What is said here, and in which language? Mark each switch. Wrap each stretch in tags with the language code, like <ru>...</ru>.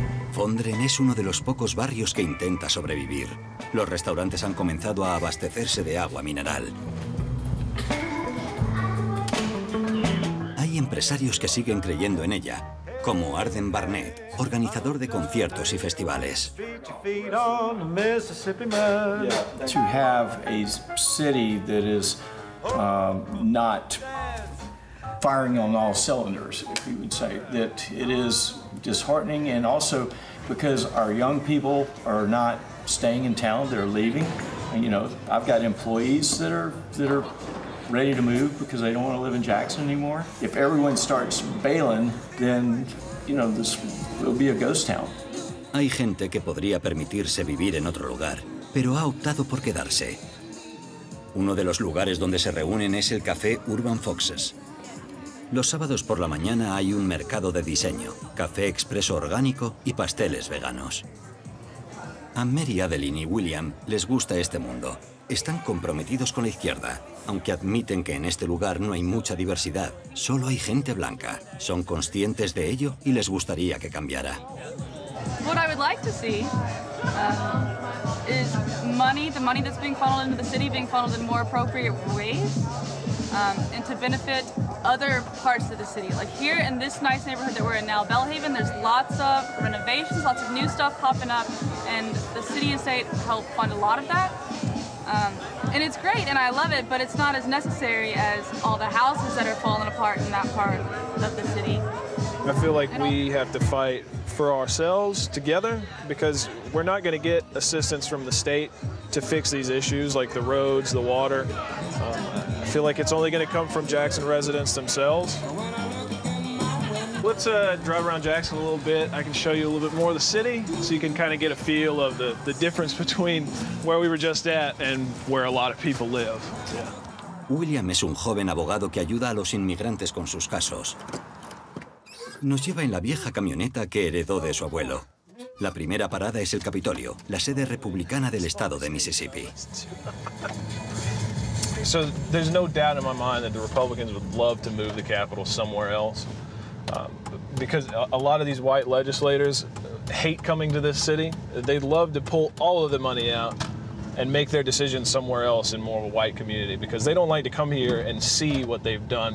<es>Fondren es uno de los pocos barrios que intenta sobrevivir. Los restaurantes han comenzado a abastecerse de agua mineral. Empresarios que siguen creyendo en ella, como Arden Barnett, organizador de conciertos y festivales.</es> <en>To have a city that is not firing on all cylinders, if you would say, that it is disheartening, and also because our young people are not staying in town, they're leaving. And, you know, I've got employees that are ready to move because they don't want to live in Jackson anymore. If everyone starts bailing, then, you know, this will be a ghost town. Hay gente que podría permitirse vivir en otro lugar, pero ha optado por quedarse. Uno de los lugares donde se reúnen es el café Urban Foxes. Los sábados por la mañana hay un mercado de diseño, café expreso orgánico y pasteles veganos. A Mary Adeline y William les gusta este mundo. Están comprometidos con la izquierda, aunque admiten que en este lugar no hay mucha diversidad, solo hay gente blanca. Son conscientes de ello y les gustaría que cambiara. What I would like to see is money, the money that's being funneled into the city, being funneled in more appropriate ways, and to benefit other parts of the city. Like here in this nice neighborhood that we're in now, Bellhaven, there's lots of renovations, lots of new stuff popping up, and the city and state help fund a lot of that. And it's great and I love it, but it's not as necessary as all the houses that are falling apart in that part of the city. I feel like we have to fight for ourselves together, because we're not going to get assistance from the state to fix these issues like the roads, the water. I feel like it's only going to come from Jackson residents themselves. Let's drive around Jackson a little bit. I can show you a little bit more of the city so you can kind of get a feel of the difference between where we were just at and where a lot of people live. Yeah.</en> <es>William es un joven abogado que ayuda a los inmigrantes con sus casos. Nos lleva en la vieja camioneta que heredó de su abuelo. La primera parada es el Capitolio, la sede republicana del estado de Mississippi.</es> <en>So there's no doubt in my mind that the Republicans would love to move the Capitol somewhere else. Because a lot of these white legislators hate coming to this city. They'd love to pull all of the money out and make their decisions somewhere else in more of a white community, because they don't like to come here and see what they've done.</en>